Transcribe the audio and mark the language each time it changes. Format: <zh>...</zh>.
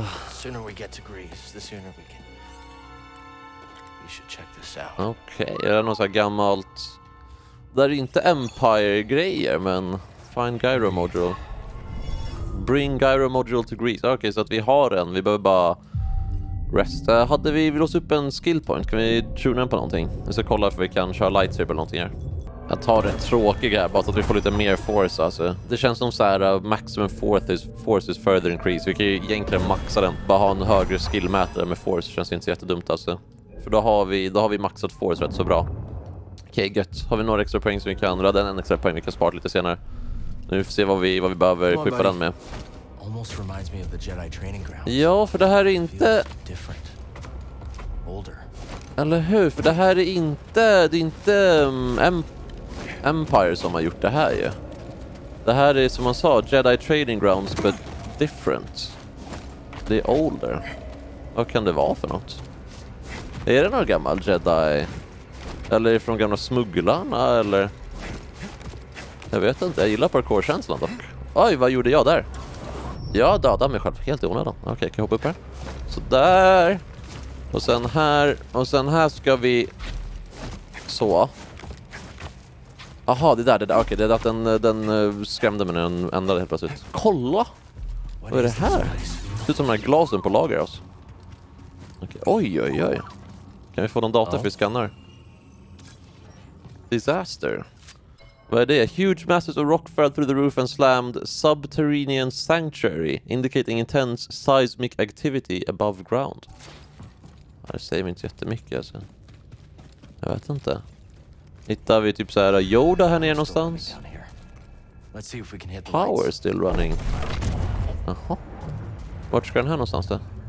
<en>Sooner we get to Greece, the sooner we can. We should check this out.</en> <sv>Okej, är det något så här gammalt? Det är inte Empire-grejer, men...</sv> <en>Find Gyro Module. Bring Gyro Module to Greece.</en> <sv>Okej, så att vi har en. Vi behöver bara... Rest. Hade vi låst upp en skill point? Kan vi tuna den på någonting? Vi ska kolla om vi kan köra lightsaber eller någonting här. Jag tar det tråkiga här, bara så att vi får lite mer force, alltså. Det känns som så här,</sv> <en>maximum force is further increase.</en> <sv>Vi kan ju egentligen maxa den. Bara ha en högre skillmätare med force känns inte så jättedumt, alltså. För då har vi maxat force rätt så bra. Okej, gött. Har vi några extra poäng som vi kan? Rädda en extra poäng vi kan spara lite senare. Nu får vi se vad vi behöver skippa den med.</sv> <en>Almost reminds me of the Jedi training grounds.</en> <sv>Ja, för det här är inte...</sv> <en>Different. Older.</en> <sv>Eller hur? För det här är inte... Det är inte Empire som har gjort det här, ju. Det här är, som man sa,</sv> <en>Jedi training grounds, but different.</en> <sv>Det är older. Vad kan det vara för något? Är det någon gammal Jedi? Eller är det från gamla smugglarna, eller... Jag vet inte. Jag gillar parkour-känslan dock. Oj, vad gjorde jag där? Jag dödade mig själv helt i onödan. Okej, kan jag hoppa upp här? Sådär! Och sen här... Och sen här ska vi... Så. Aha, det där. Okej, det är att den skrämde mig när den ändrade helt plötsligt. Kolla! Vad är det här? Det ser ut som de här glasen på lager, alltså. Okej, oj. Kan vi få någon data för vi skannar? Disaster. Vad är det?</sv> <en>Huge masses of rock fell through the roof and slammed subterranean sanctuary, indicating intense seismic activity above ground.</en> <sv>Det säger mig inte jättemycket, alltså. Jag vet inte. Hittar vi typ så här Yoda här nere någonstans?</sv> <en>Let's see if we can hit the power lights. Still running.</en> <sv>Jaha. Vart ska den här någonstans då?</sv>